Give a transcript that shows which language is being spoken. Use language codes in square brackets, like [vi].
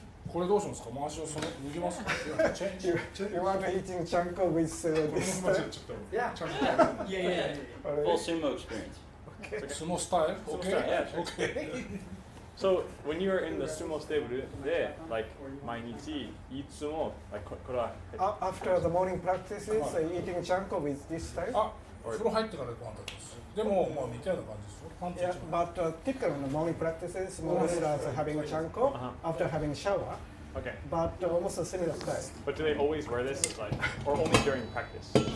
[ja] これどうしますか?回しを染め、脱ぎます? [en] You want to eat in chanko with this? Yeah. Full sumo experience. Okay. Sumo style? Okay. Yeah, sure. Okay. So when you are in the sumo stable, there, like 毎日, eat sumo, like [ja] これは. [en] After the morning practices, eating chanko with this type. [ja] あ、風呂入ってからご飯食べます。でもまあ似たような感じですよ。 [en] Yeah, but typically in the morning practices, more wrestlers having a chanko after having shower. Okay. But almost a similar style. But do they always wear this, like, or only during practice?